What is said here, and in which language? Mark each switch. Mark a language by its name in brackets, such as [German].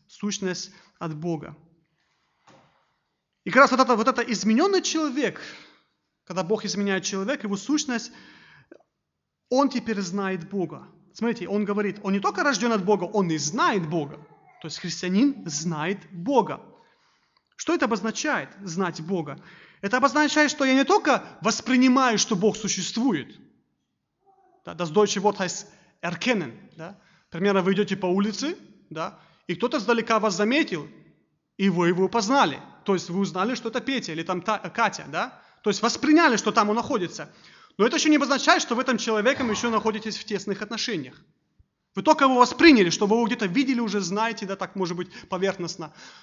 [Russian] Сущность от Бога. И как раз вот это измененный человек, когда Бог изменяет человека, его сущность, он теперь знает Бога. Смотрите, он говорит, он не только рожден от Бога, он и знает Бога. То есть христианин знает Бога. Что это обозначает, знать Бога? Это обозначает, что я не только воспринимаю, что Бог существует. [German] Das deutsche Wort heißt erkennen. [Russian] Да? Примерно вы идете по улице, да, и кто-то сдалека вас заметил, и вы его познали. То есть вы узнали, что это Петя или там Катя. Да? То есть восприняли, что там он находится. Но это еще не обозначает, что вы этим человеком еще находитесь в тесных отношениях. Вы только его восприняли, что вы его где-то видели, уже знаете, да, так может быть поверхностно.